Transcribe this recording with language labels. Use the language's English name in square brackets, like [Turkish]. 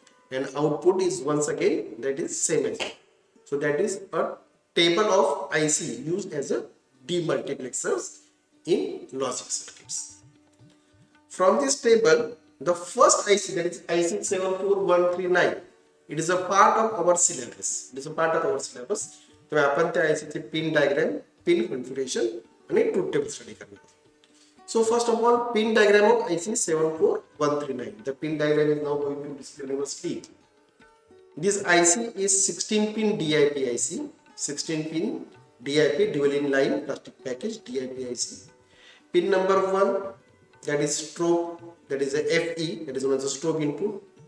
[English] And output is once again, that is same as. So that is a table of IC used as a demultiplexers in logic circuits. From this table, the first IC, that is IC74139, it is a part of our syllabus. It is a part of our syllabus. [Marathi] तर आपण त्या आयसीचे pin diagram, pin configuration आणि truth table study करणार. [English] So first of all, pin diagram of IC74139. The pin diagram is now going to be displayed on the screen. This IC is 16-pin DIP IC, 16-pin DIP dual inline plastic package DIP IC. Pin number 1, that is strobe, that is a FE, that is known as a strobe input.